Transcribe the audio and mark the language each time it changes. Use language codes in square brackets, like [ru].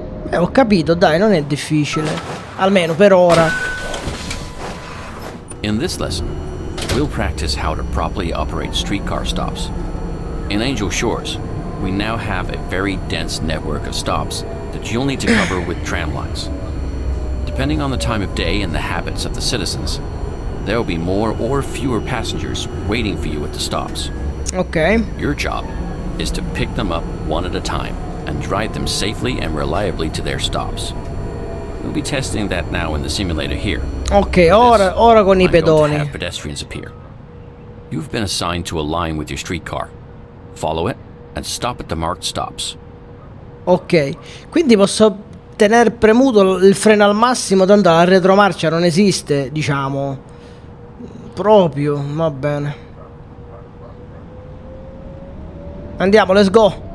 [it] Ho capito, dai, non è difficile. Almeno per ora. [en] In this lesson, we'll practice how to properly operate streetcar stops. In Angel Shores, we now have a very dense network of stops that you'll need to cover with tram lines. Depending on the time of day and the habits of the citizens, there will be more or fewer passengers waiting for you at the stops. Okay. Your job is to pick them up one at a time and drive them safely and reliably to their stops. We'll be testing that now in the simulator here. [it] Okay, ora con i pedoni. [en] Have pedestrians appear. You've been assigned to a line with your streetcar. Follow it and stop at the marked stops. [it] Okay, quindi posso tenere premuto il freno al massimo, tanto la retromarcia non esiste, diciamo. Proprio, va bene. Andiamo, [en] let's go.